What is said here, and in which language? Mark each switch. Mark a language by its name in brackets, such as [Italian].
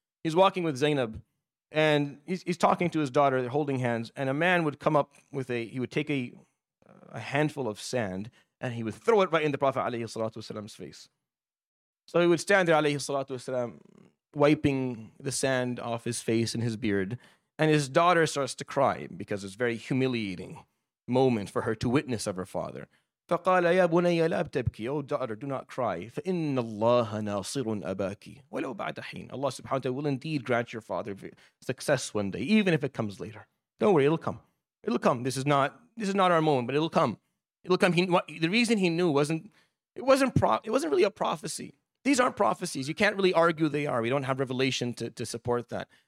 [English] He's walking with Zainab, and he's talking to his daughter, they're holding hands, and a man would come up with he would take a handful of sand, and he would throw it right in the Prophet alayhi salatu wasalam's face. So he would stand there alayhi salatu wasalam, wiping the sand off his face and his beard, and his daughter starts to cry because it's a very humiliating moment for her to witness of her father. [Arabic] فقال يا بني لا تبكي, [English] oh daughter, do not cry. [Arabic] فإن الله ناصر أباكي ولو بعد حين. [English] Allah subhanahu wa ta'ala will indeed grant your father success one day, even if it comes later. Don't worry, it'll come. It'll come. This is not our moment, but it'll come. It'll come. The reason he knew wasn't really a prophecy. These aren't prophecies. You can't really argue they are. We don't have revelation to support that.